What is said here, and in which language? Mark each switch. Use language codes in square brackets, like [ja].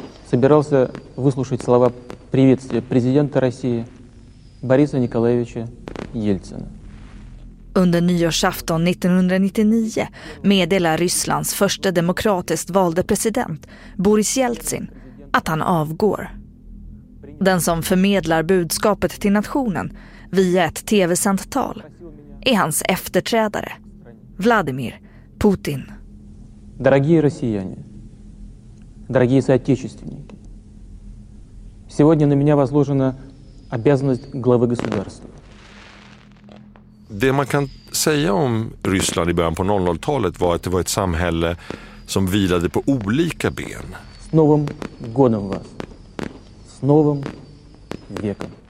[ru] Собирался выслушать слова приветствия президента России Бориса Николаевича Ельцина. [sv] Under nyårsafton 1999 meddelar Rysslands första demokratiskt valde president Boris Jeltsin att han avgår. Den som förmedlar budskapet till nationen via ett tv-sänt tal är hans efterträdare Vladimir Putin. [ru] Дорогие россияне, дорогие соотечественники, сегодня на меня возложена обязанность главы государства. [sv] Det man kan säga om Ryssland i början på 00-talet var att det var ett samhälle som vilade på olika ben. [ru] С Новым годом вас. С Новым веком.